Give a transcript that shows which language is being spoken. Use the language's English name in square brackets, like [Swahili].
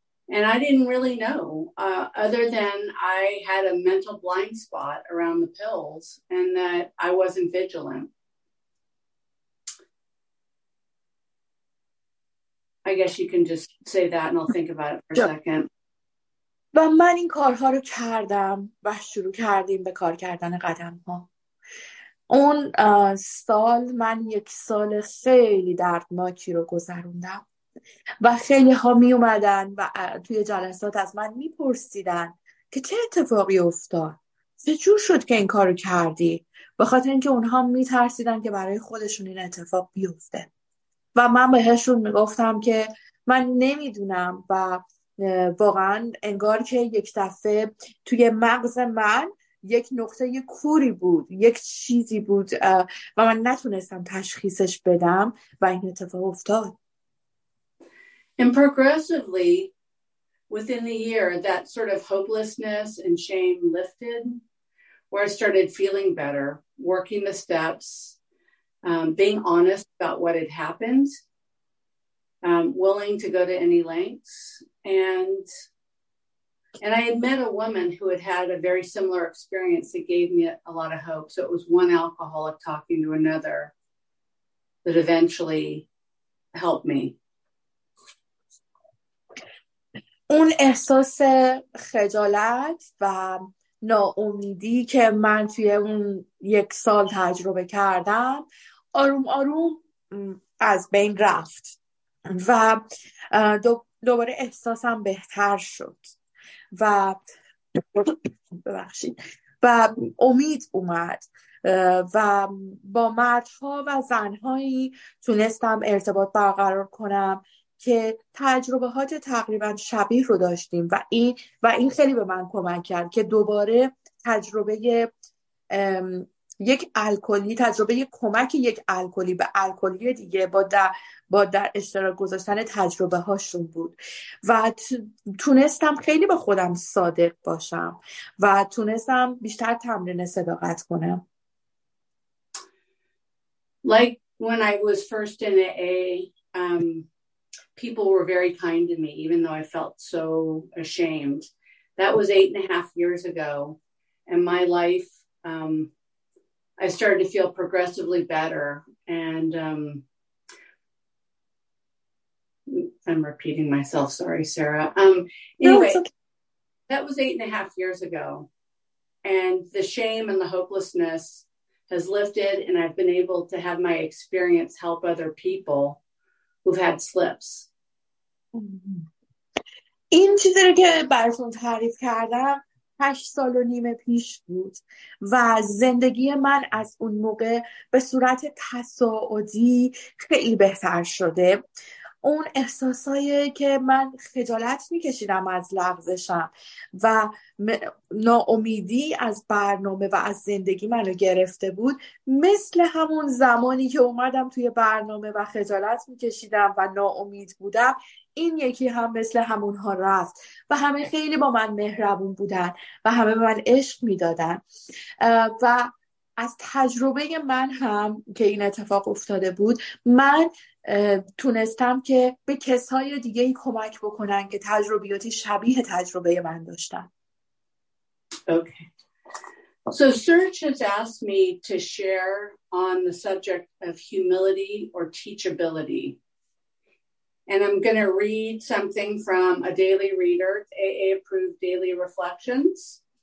[English] And I didn't really know, other than I had a mental blind spot around the pills and that I wasn't vigilant. I guess you can just say that and I'll think about it for a second. [Persian] و من این کارها رو کردم و شروع کردیم به کار کردن قدم ها. اون سال من یک سال خیلی دردناکی رو گذروندم و خیلی ها می اومدن و توی جلسات از من می پرسیدن که چه اتفاقی افتاد، چه جور شد که این کارو کردی، به خاطر اینکه اونها می ترسیدن که برای خودشون این اتفاق بیفته. و من بهشون می گفتم که من نمی دونم و واقعا انگار که یک دفعه توی مغز من یک نقطه کوری بود، یک چیزی بود و من نتونستم تشخیصش بدم و این اتفاق افتاد. [English] And progressively, within the year, that sort of hopelessness and shame lifted, where I started feeling better, working the steps, being honest about what had happened, willing to go to any lengths. And I had met a woman who had a very similar experience that gave me a lot of hope. So it was one alcoholic talking to another that eventually helped me. [Persian] اون احساس خجالت و ناامیدی که من توی اون یک سال تجربه کردم آروم آروم از بین رفت و دوباره احساسم بهتر شد و ببخشید و امید اومد و با مردها و زنهایی تونستم ارتباط برقرار کنم که تجربهات تقریبا شبیه رو داشتیم و این خیلی به من کمک کرد که دوباره تجربه یک الکلی، تجربه کمک یک الکلی به الکلی دیگه با در اشتراک گذاشتن تجربه هاشون بود و تونستم خیلی به خودم صادق باشم و تونستم بیشتر تمرین صداقت کنم. [English] Like when I was first in AA, people were very kind to me, even though I felt so ashamed. That was 8.5 years ago. And my life, I started to feel progressively better. And I'm repeating myself. Sorry, Sarah. Anyway, no, that was 8.5 years ago. And the shame and the hopelessness has lifted, and I've been able to have my experience help other people who've had slips. [Persian] این چیزی رو که براتون تعریف کردم 8.5 سال پیش بود و زندگی من از اون موقع به صورت تصاعدی خیلی بهتر شده. اون احساسایی که من خجالت میکشیدم از لغزشم و ناامیدی از برنامه و از زندگی منو گرفته بود، مثل همون زمانی که اومدم توی برنامه و خجالت میکشیدم و ناامید بودم، این یکی هم مثل همونها رفت و همه خیلی با من مهربون بودن و همه به من عشق میدادن. و از تجربه من هم که این اتفاق افتاده بود، من تونستم که به کسای دیگه ای کمک بکنن که تجربیاتی شبیه تجربه من داشتن. [English] Okay. So Serge has asked me to share on the subject of humility or teachability. And I'm going to read something from a daily reader, AA approved daily reflections.